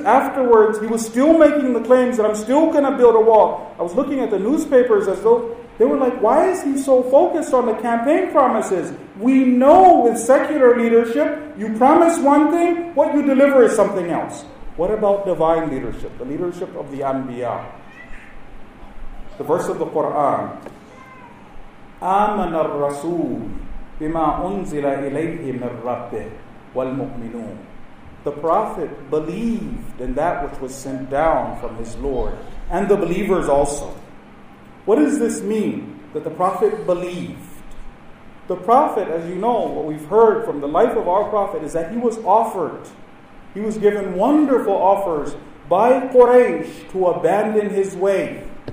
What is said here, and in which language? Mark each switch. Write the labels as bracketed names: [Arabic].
[English] Afterwards, he was still making the claims that I'm still going to build a wall. I was looking at the newspapers as though they were like, why is he so focused on the campaign promises? We know with secular leadership, you promise one thing, what you deliver is something else. What about divine leadership, the leadership of the Anbiya? The verse of the Quran, [Arabic] آمَنَ الرَّسُولُ بِمَا أُنزِلَ إِلَيْهِ مِنْ رَبِّهِ وَالْمُؤْمِنُونَ. [English] The Prophet believed in that which was sent down from his Lord, and the believers also. What does this mean, that the Prophet believed? The Prophet, as you know, what we've heard from the life of our Prophet is that he was offered, he was given wonderful offers by Quraysh to abandon his way.